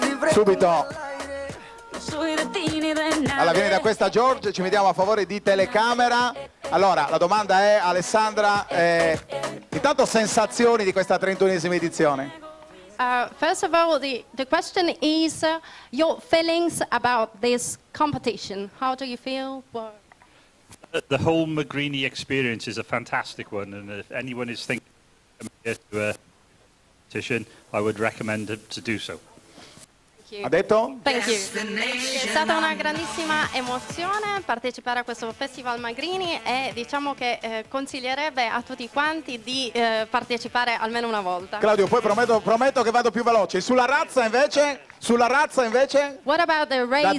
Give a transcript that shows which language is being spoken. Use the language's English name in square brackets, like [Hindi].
[Italian] Subito. Allora, viene da questa George, ci mettiamo a favore di telecamera. Allora, la domanda è, Alessandra, intanto sensazioni di questa 31esima edizione? [English] First of all, the question is your feelings about this competition. How do you feel? The whole Magrini experience is a fantastic one, and if anyone is thinking of coming here to a competition, I would recommend to do so. [Italian] Ha detto? [English] Thank you. [Italian] È stata una grandissima emozione partecipare a questo Festival Magrini, e diciamo che consiglierebbe a tutti quanti di partecipare almeno una volta. Claudio, poi prometto che vado più veloce. Sulla razza invece? [English] What about the race